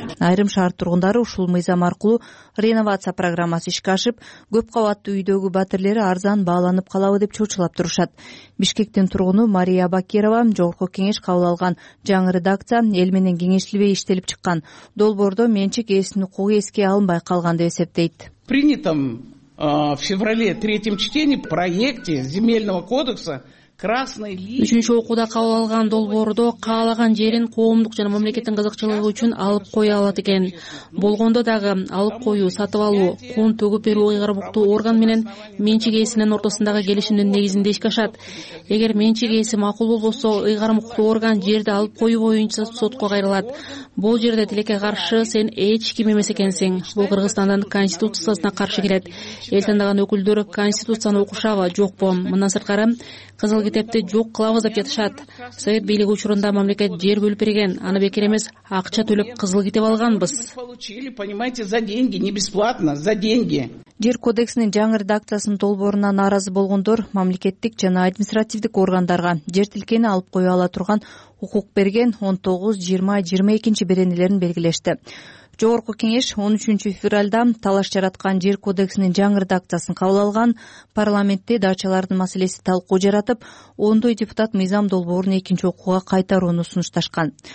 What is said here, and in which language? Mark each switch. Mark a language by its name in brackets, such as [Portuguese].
[Kyrgyz] Айрым шаар тургундары ушул мыйзам аркылуу реновация программасы ишке ашып, көп кабаттуу үйдөгү батирлери арзан бааланып калабы деп чочулап турушат. Бишкектин тургуну Мария Бакирова жогорку кеңеш кабыл алган жаңы редакция эл менен кеңешилбей иштелип чыккан. Долбоордо менчик ээсинин укугу эске алынбай калган деп эсептейт. [Russian] Принятым в феврале третьем чтении проекте земельного кодекса [Kyrgyz] 3-чү окууда кабыл алган долбоордо каалаган жерин коомдук жана мамлекеттин кызыкчылыгы үчүн алып кое алат экен. Болгондо дагы алып коюу, сатып алуу, кун төгүп берүү ыйгарымдуу орган менен менчик ээсинин ортосундагы келишимдин негизинде ишке ашат. Эгер менчик ээси макул болбосо, ыйгарымдуу орган жерди алып коюу боюнча сотко кайрылат. Бул жерде тилекке каршы сен эч ким эмес экенсиң. Бул Кыргызстандын конституциясына каршы келет. Эл тандаган өкүлдөр конституцияны окушабы, жокпу? Мындан сырткары кызыл китепти жок кылабыз деп жатышат. Совет бийлиги учурунда мамлекет жер бөлүп берген, аны бекер эмес акча төлөп кызыл китеп алганбыз. [Russian] Понимаете, за деньги, не бесплатно, за деньги. [Kyrgyz] Жер кодексинин жаңы редакциясынын долбооруна нааразы болгондор мамлекеттик жана административдик органдарга жер тилкени алып коюу ала турган укук берген 19-20-22 беренелерин белгилешти. Жогорку кеңеш 13 февралда талаш жараткан жер кодексинин жаңы редакциясын кабыл алган, парламентте дачалардын маселеси талкуу жаратып, 10 депутат мыйзам долбоорун экинчи окууга кайтарууну сунушташкан.